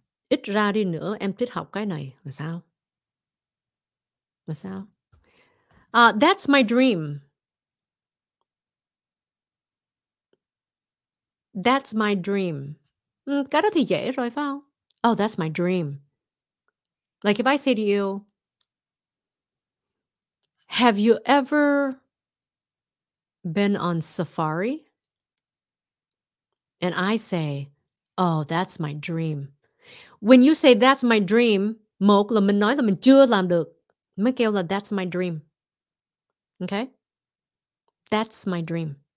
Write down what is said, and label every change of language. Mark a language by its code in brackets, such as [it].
[vi] Ít ra đi nữa em thích học cái này. Là sao? Là sao? [en] That's my dream. That's my dream. [vi] Cái đó thì dễ rồi, phải không? [en] Oh, that's my dream. Like if I say to you, have you ever been on safari? And I say, oh, that's my dream. When you say that's my dream, [vi] một là mình nói là mình chưa làm được. Mới kêu là [en] that's my dream. Okay? That's my dream.